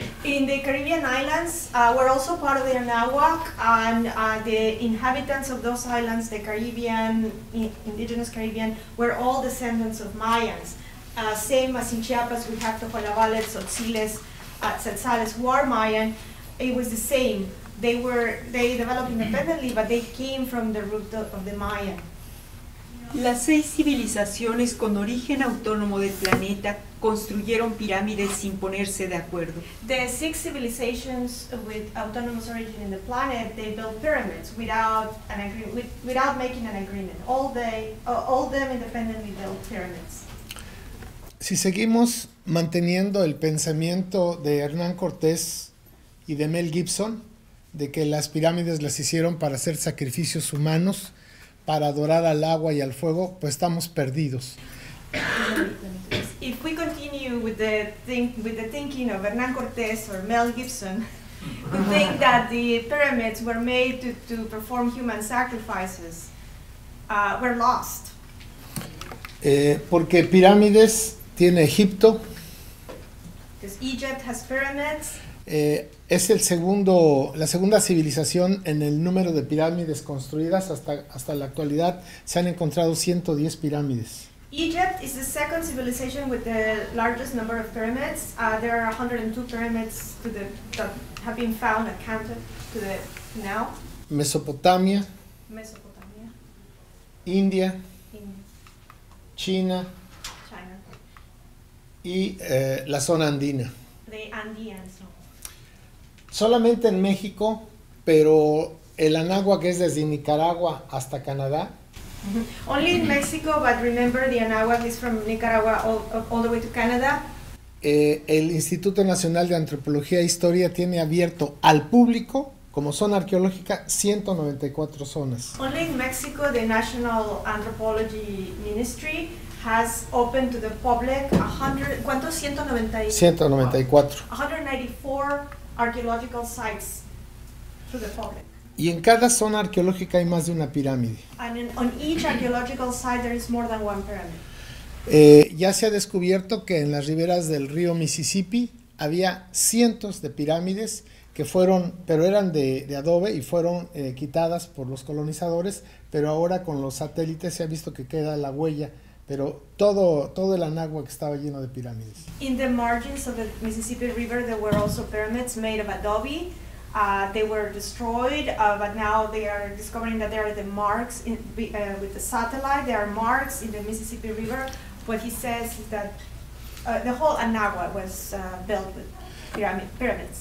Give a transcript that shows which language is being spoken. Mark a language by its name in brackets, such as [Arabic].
[English] In the Caribbean islands, we're also part of the Anáhuac, and the inhabitants of those islands, the Caribbean, indigenous Caribbean, were all descendants of Mayans. Same as in Chiapas, we have Tojolabales, Tzotziles, Tzeltzales, who are Mayan. It was the same. They developed independently, but they came from the root of the Mayan. [Spanish] Las seis civilizaciones con origen autónomo del planeta construyeron pirámides sin ponerse de acuerdo. [English] The six civilizations with autonomous origin in the planet, they built pyramids without making an agreement. All them independently built pyramids. [Spanish] Si seguimos manteniendo el pensamiento de Hernán Cortés y de Mel Gibson, de que las pirámides las hicieron para hacer sacrificios humanos, para adorar al agua y al fuego, pues estamos perdidos. [English] If we continue with the thinking of Hernán Cortés or Mel Gibson, who think that the pyramids were made to perform human sacrifices, we're lost. [Spanish] Porque pirámides tiene Egipto. [English] Because Egypt has pyramids. [Spanish] Es la segunda civilización en el número de pirámides construidas hasta la actualidad. Se han encontrado 110 pirámides. [English] Egypt is the second civilization with the largest number of pyramids. There are 102 pyramids that have been found and counted to the now. [Spanish] Mesopotamia. India. China. Y la zona andina. [English] The Andean zone. [Spanish] Solamente en México, pero el Anáhuac es desde Nicaragua hasta Canadá. [English] Only in Mexico, but remember the Anáhuac is from Nicaragua all the way to Canada. [Spanish] El Instituto Nacional de Antropología e Historia tiene abierto al público, como zona arqueológica, 194 zonas. [English] Only in Mexico, the National Anthropology Ministry has opened to the public 194 archaeological sites to the public. [Spanish] Y en cada zona arqueológica hay más de una pirámide. [English] And on each archaeological site there is more than one pyramid. [Spanish] Ya se ha descubierto que en las riberas del río Mississippi había cientos de pirámides que fueron, pero eran de adobe y fueron quitadas por los colonizadores, pero ahora con los satélites se ha visto que queda la huella. Pero todo el Anáhuac estaba lleno de pirámides. [English] In the margins of the Mississippi River, there were also pyramids made of adobe. They were destroyed, but now they are discovering that there are the marks with the satellite. There are marks in the Mississippi River. What he says is that the whole Anáhuac was built with pyramids.